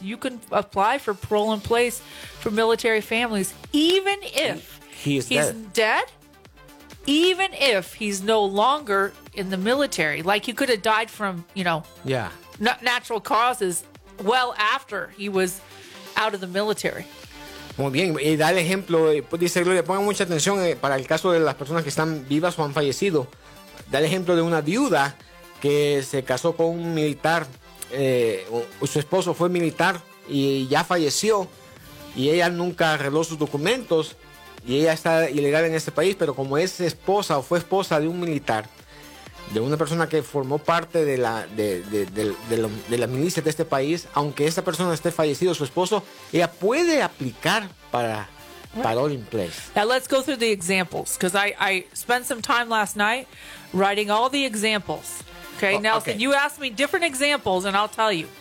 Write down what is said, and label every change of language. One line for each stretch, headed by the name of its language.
English: You can apply for parole in place for military families even if he's dead. Even if he's no longer in the military. Like he could have died from, you know, yeah, natural causes. Well, after he was out of the military.
Spanish: Muy bien. Y da el ejemplo, dice Gloria, pongan mucha atención para el caso de las personas que están vivas o han fallecido. Da el ejemplo de una viuda que se casó con un militar, su esposo fue militar y ya falleció. Y ella nunca arregló sus documentos y ella está ilegal en este país. Pero como es esposa o fue esposa de un militar, de una persona que formó parte de la de la milicia de este país, aunque esa persona esté fallecido, su esposo, ella puede aplicar para parole in place.
English: Now let's go through the examples, because I spent some time last night writing all the examples. Okay, oh, Nelson, okay. You asked me different examples, and I'll tell you.